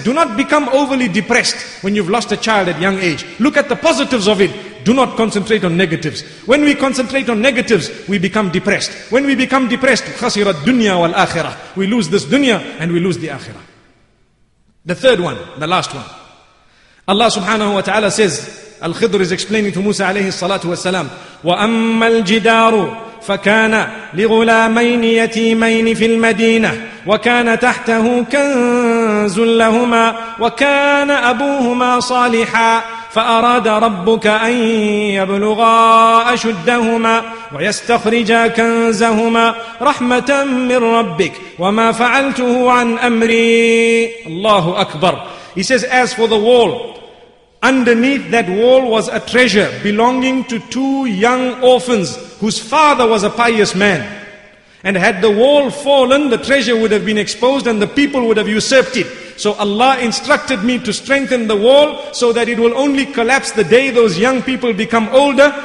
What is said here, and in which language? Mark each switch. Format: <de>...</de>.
<en>Do not become overly depressed when you've lost a child at young age. Look at the positives of it. Do not concentrate on negatives. When we concentrate on negatives, we become depressed. When we become depressed,</en> <ar>khasira dunya wal akhirah.</ar> <en>We lose this dunya and we lose the akhirah. The third one, the last one. Allah subhanahu wa ta'ala says, Al-Khidr is explaining to Musa alayhi salatu wa salam,</en> <ar>وَأَمَّا الْجِدَارُ فَكَانَ لِغُلَامَيْنِ يَتِيمَيْنِ فِي الْمَدِينَةِ وكان تحته كنز لهما وكان أبوهما صالحا فأراد ربك أن يبلغا أشدهما ويستخرجا كنزهما رحمة من ربك وما فعلته عن أمري. الله أكبر.</ar> <en>He says, as for the wall, underneath that wall was a treasure belonging to two young orphans whose father was a pious man. And had the wall fallen, the treasure would have been exposed and the people would have usurped it. So Allah instructed me to strengthen the wall so that it will only collapse the day those young people become older.</en>